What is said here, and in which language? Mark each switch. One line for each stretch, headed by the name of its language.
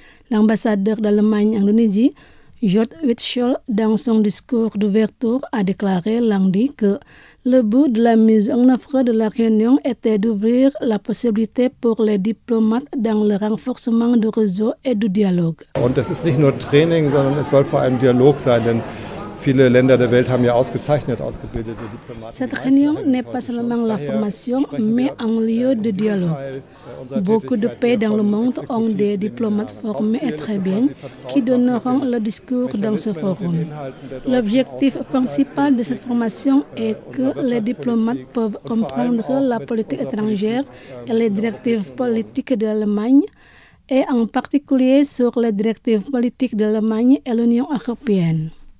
French: L'ambassadeur d'Allemagne en Indonésie, Jörg Witschel, dans son discours d'ouverture, a déclaré lundi que le but de la mise en œuvre de la réunion était d'ouvrir la possibilité pour les diplomates dans le renforcement du réseau et du dialogue.
German: Und es ist nicht nur Training, sondern es soll vor allem Dialog sein, denn viele Länder der Welt haben ja ausgezeichnet ausgebildete Diplomaten.
French: Cette réunion n'est pas seulement la formation, mais un lieu de dialogue. Beaucoup de pays dans le monde ont des diplomates formés et très bien qui donneront le discours dans ce forum. L'objectif principal de cette formation est que les diplomates peuvent comprendre la politique étrangère et les directives politiques de l'Allemagne, et en particulier sur les directives politiques de l'Allemagne et l'Union européenne.